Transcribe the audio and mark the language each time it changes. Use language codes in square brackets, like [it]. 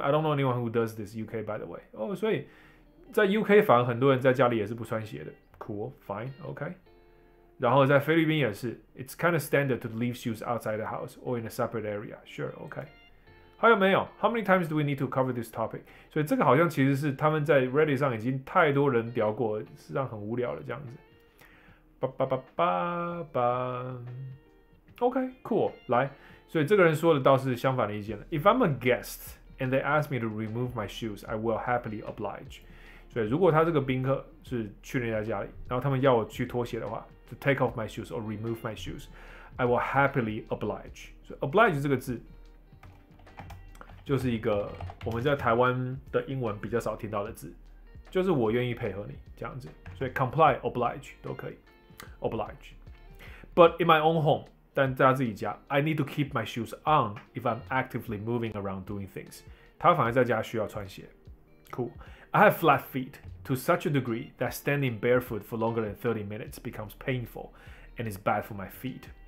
[en] I don't know anyone who does this UK by the way。 [zh] 哦，所以在 UK 反而很多人在家里也是不穿鞋的， cool, fine, OK。然后在菲律宾也是， [en] it's kind of standard to leave shoes outside the house or in a separate area, sure, OK。 [zh] 还有没有？ [en] How many times do we need to cover this topic? [zh] 所以这个好像其实是他们在 Reddit 上已经太多人聊过，实际上很无聊了这样子。巴巴巴巴巴， OK, cool, 来。所以这个人说的倒是相反的意见了。 [en] If I'm a guest and they ask me to remove my shoes, I will happily oblige。 [zh] 对，如果他这个宾客是去人家家里，然后他们要我去脱鞋的话 ， [en] to take off my shoes or remove my shoes, I will happily oblige。 [zh] 所以 oblige 这个字就是一个我们在台湾的英文比较少听到的字，就是我愿意配合你这样子。所以 comply oblige 都可以 oblige。 [en] But in my own home， [zh] 但在自己家 [en] ，I need to keep my shoes on if I'm actively moving around doing things。 [zh] 他反而在家需要穿鞋 ，cool。 [en] I have flat feet to such a degree that standing barefoot for longer than 30 minutes becomes painful and is bad for my feet.